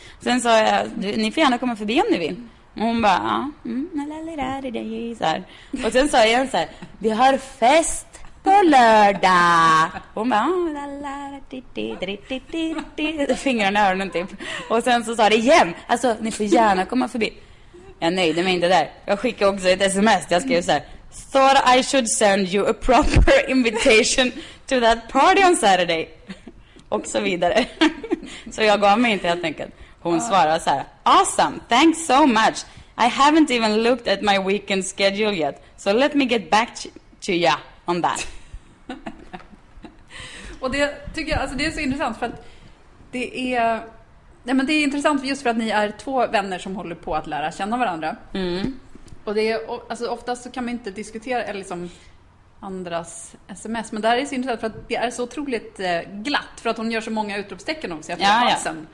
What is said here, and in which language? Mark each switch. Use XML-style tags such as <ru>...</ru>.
<sv>Sen sa jag, ni får gärna komma förbi om ni vill. Och hon bara, lalalala. Och sen sa jag igen så här, vi har fest på lördag. Hon bara fingrarna i öronen typ. Och sen så sa det igen, alltså ni får gärna komma förbi. Jag nöjde mig inte där. Jag skickade också ett sms. Jag skrev så här:</sv> <en>thought I should send you a proper invitation to that party on Saturday.</en> <sv>Och så vidare. Så jag gav mig inte helt enkelt. Hon svarade så här:</sv> <en>awesome, thanks so much, I haven't even looked at my weekend schedule yet, so let me get back to you on that.</en> <sv>Och det tycker jag, alltså det är så intressant, för att det är, nej men det är intressant just för att ni är 2 vänner som håller på att lära känna varandra. Mm. Och det är, alltså oftast så kan man inte diskutera eller liksom andras sms, men där är det så intressant för att det är så otroligt glatt, för att hon gör så många utropstecken också efter passen.</sv>